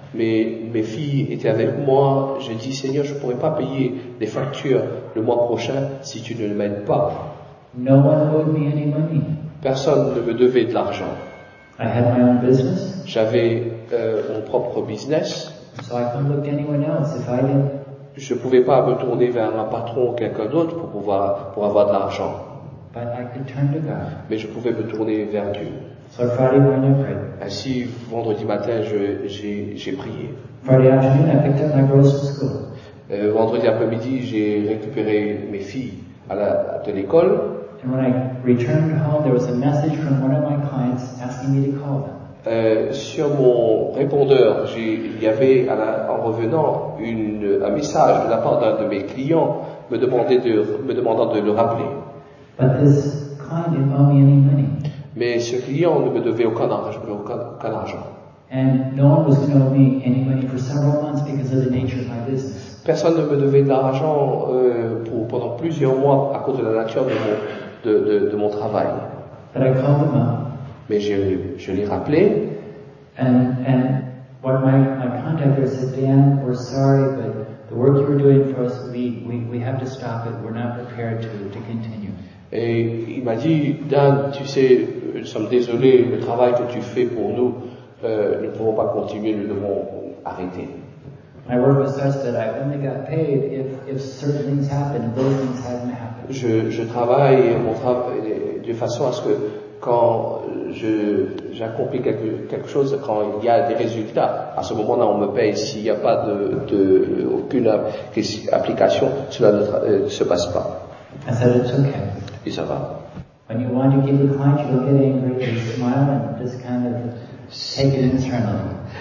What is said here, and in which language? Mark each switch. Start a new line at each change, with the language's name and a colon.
French: Mes filles étaient avec moi. J'ai dit, "Seigneur, je ne pourrai pas payer les factures le mois prochain si tu ne m'aides pas."
English: No one owed me any money.
French: Personne ne me devait de l'argent.
English: I had my own business.
French: J'avais mon propre business.
English: So I couldn't look to anyone else if I didn't.
French: Je ne pouvais pas me tourner vers un patron ou quelqu'un d'autre pour avoir de l'argent.
English: But I could turn to God.
French: Mais je pouvais me tourner vers Dieu.
English: So Friday morning I prayed.
French: Ainsi, vendredi matin, j'ai prié.
English: Friday afternoon, I picked up my girls from school.
French: Vendredi après-midi, j'ai récupéré mes filles de l'école.
English: And when I returned home, there was a message from one of my clients asking me to call them.
French: Sur mon répondeur, il y avait en revenant un message de la part d'un de mes clients me demandant de le rappeler.
English: But this client didn't owe me any money.
French: Mais ce client ne me devait aucun argent.
English: And no one was going to owe me any money for several months because of the nature of my business.
French: Personne ne me devait de l'argent pendant plusieurs mois à cause de la nature de mon travail.
English: But I called them up.
French: Mais je l'ai rappelé.
English: And what my contactor said, "Dan, we're sorry, but the work you were doing for us, we have to stop it. We're not prepared to continue."
French: Et il m'a dit, "Dan, tu sais, nous sommes désolés, le travail que tu fais pour nous, nous ne pouvons pas continuer, nous devons arrêter."
English: My work was such that I only got paid if certain things happened, if those things hadn't happened.
French: Je travaille mon travail de façon à ce que quand j'accomplis quelque chose, quand il y a des résultats, à ce moment-là, on me paye. S'il n'y a pas aucune application, cela ne se passe pas.
English: I said, "It's okay."
French: Et ça va.
English: When you want to give a client, you'll get angry, you smile, and just kind of take it internally.